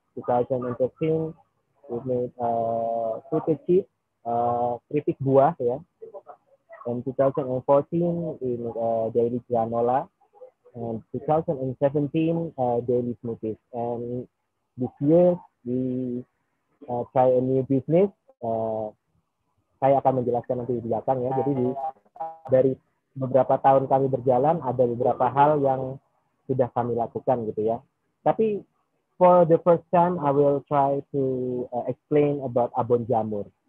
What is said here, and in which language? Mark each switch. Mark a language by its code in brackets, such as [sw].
[en] 2013, we made fruited chip, [id] keripik buah, [en] yeah. In 2014, we made daily granola. And 2017, daily smoothies. And this year, we try a new business. [id] Saya akan menjelaskan nanti di belakang ya. Jadi dari beberapa tahun kami berjalan, ada beberapa hal yang sudah kami lakukan gitu ya. Tapi [en] for the first time, I will try to explain about abon jamur.